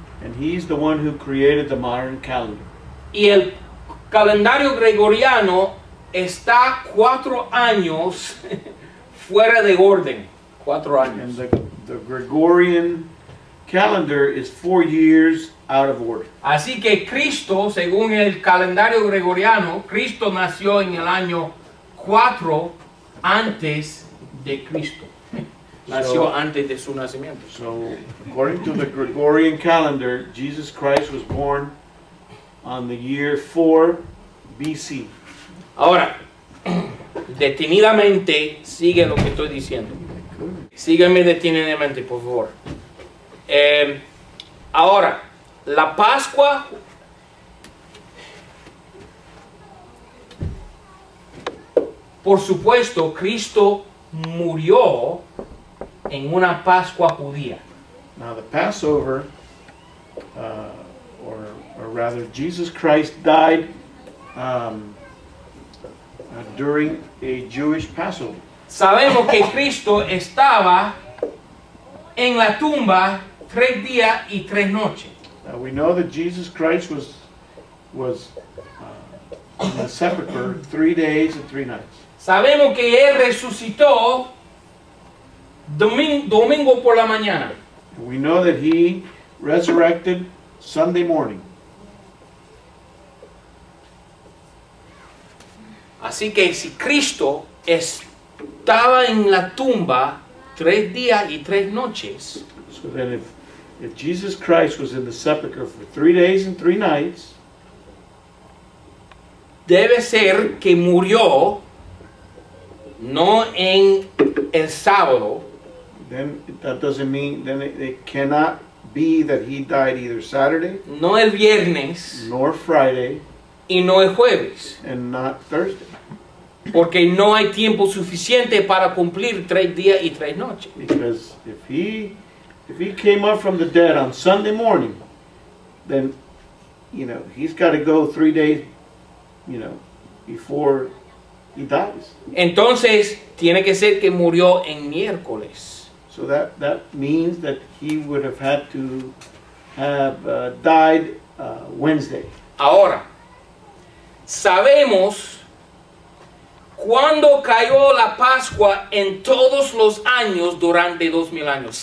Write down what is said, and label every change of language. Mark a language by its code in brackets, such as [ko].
[en] And he's the one who created the modern calendar. [es] Y el calendario gregoriano está 4 años fuera de orden. 4 años. [en] And the the Gregorian calendar is 4 years out of order. [es] Así que Cristo, según el calendario gregoriano, Cristo nació en el año 4 antes de Cristo. Nació antes de su nacimiento. [en] So, according to the Gregorian calendar, Jesus Christ was born on the year 4 BC. [es] Ahora, detenidamente, sigue lo que estoy diciendo. Sígueme detenidamente, por favor. Ahora, la Pascua... Por supuesto, Cristo murió en una Pascua judía. [en] Now the Passover, or rather Jesus Christ died during a Jewish Passover. [es] Sabemos que Cristo estaba en la tumba 3 días y 3 noches. [en] Now we know that Jesus Christ was in the sepulcher 3 days and 3 nights. [es] Sabemos que él resucitó domingo por la mañana. [en] We know that he resurrected Sunday morning. [es] Así que si Cristo estaba en la tumba 3 días y 3 noches. [en] So then if Jesus Christ was in the sepulcher for 3 days and 3 nights. [es] Debe ser que murió no en el sábado. [en] Then that doesn't mean, then it cannot be that he died either Saturday. [es] No el viernes. [en] Nor Friday. [es] Y no el jueves. [en] And not Thursday. [es] Porque no hay tiempo suficiente para cumplir 3 días y 3 noches. [en] Because if he came up from the dead on Sunday morning, then, you know, he's got to go 3 days, you know, before he dies. [es] Entonces, tiene que ser que murió en miércoles. [en] So that means that he would have had to have died Wednesday. [es] Ahora, sabemos cuándo cayó la Pascua en todos los años durante 2000 años.